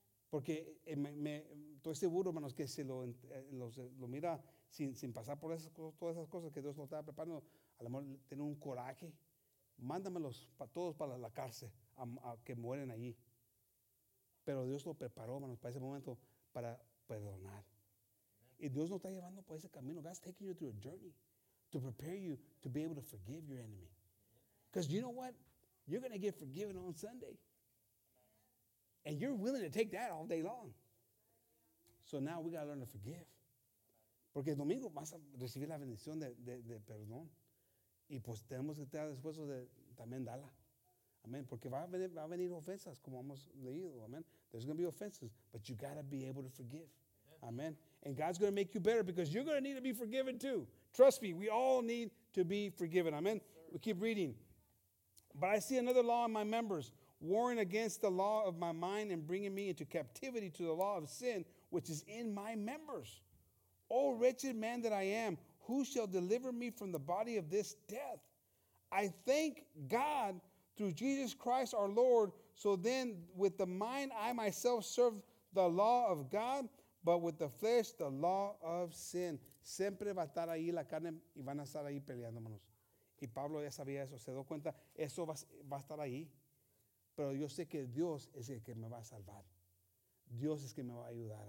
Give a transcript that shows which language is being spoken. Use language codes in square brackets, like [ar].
[es] Porque estoy seguro, hermanos, que si lo mira sin pasar por todas esas cosas que Dios lo estaba preparando, a lo mejor tiene un coraje. Mándamelos todos para la cárcel, a que mueren allí. Pero Dios lo preparó, hermanos, para ese momento, para perdonar. Y Dios nos está llevando por ese camino. [en] God's taking you through a journey to prepare you to be able to forgive your enemy. Because you know what? You're going to get forgiven on Sunday. And you're willing to take that all day long. So now we got to learn to forgive. [es] Porque el domingo vas a recibir la bendición de perdón. Y pues tenemos que estar dispuestos de también darla. Amén. Porque va a venir ofensas, como hemos leído. Amén. [en] There's going to be offenses, but you got to be able to forgive. Amén. And God's going to make you better because you're going to need to be forgiven too. Trust me, we all need to be forgiven. Amen. Sure. We keep reading. But I see another law in my members, warring against the law of my mind and bringing me into captivity to the law of sin, which is in my members. O wretched man that I am, who shall deliver me from the body of this death? I thank God through Jesus Christ our Lord. So then with the mind I myself serve the law of God, but with the flesh, the law of sin. [es] Siempre va a estar ahí la carne y van a estar ahí peleando, hermanos. Y Pablo ya sabía eso. Se dio cuenta, eso va a estar ahí. Pero yo sé que Dios es el que me va a salvar. Dios es el que me va a ayudar.